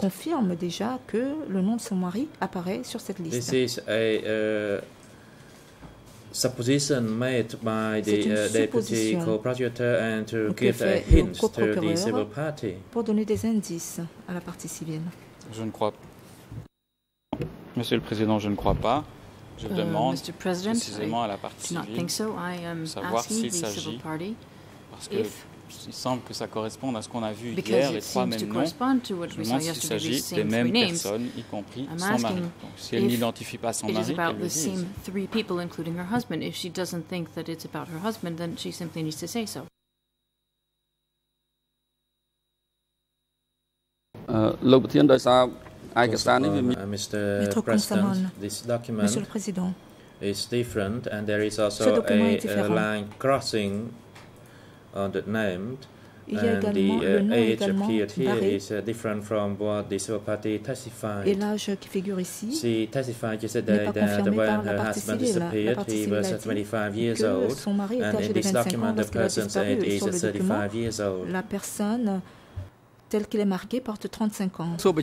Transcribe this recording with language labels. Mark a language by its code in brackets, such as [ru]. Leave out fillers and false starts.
[fr] Confirme déjà que le nom de son mari apparaît sur cette liste. [en] This is a supposition made by the deputy co-prosecutor and to give a hint to the civil party. [fr] Pour donner des indices à la partie civile. Je ne crois pas. Monsieur le Président, je ne crois pas. Je demande précisément à la partie civile savoir s'il s'agit, parce que il semble que ça corresponde à ce qu'on a vu hier, les trois mêmes noms. Je demande s'il s'agit des mêmes personnes, y compris son mari. Donc, si elle n'identifie pas son mari, qu'elle le dise. Si elle ne pense pas que c'est sur son mari, alors elle doit simplement dire ça. [en] Mr. President, this document is different, and there is also a line crossing on the name, and the age appeared here is different from what the civil party testified. [fr] Et l'âge qui figure ici, [en] she testified yesterday that when her husband disappeared, he was 25 years old, and in this document, the person's age is 35 years old. [fr] La personne tel qu'il est marqué porte 35 ans.